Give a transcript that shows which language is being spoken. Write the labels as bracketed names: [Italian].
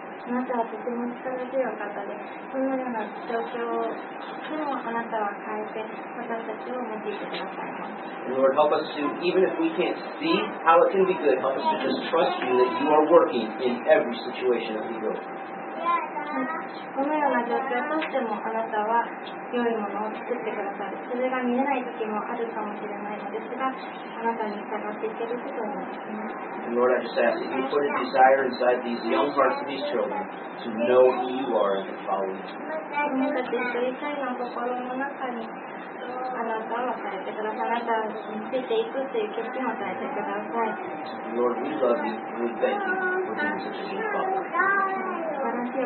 [English] Lord, help us to, even if we can't see how it can be good, help us to just trust you that you are working in every situation that we go through. [Japanese] このような状況を通してもあなたは良いものを作ってくださる。それが見えない時もあるかもしれないのですが、あなたに従っていけることを願います。 [English] Lord, I just ask that you put a desire inside these young hearts of these children to know who you are and to follow you. [Japanese] 子供たち一人一人の心の中にあなたを与えてください。あなたについていくという決心を与えてください。 [English] Lord, we love you. We thank you for being such a good father.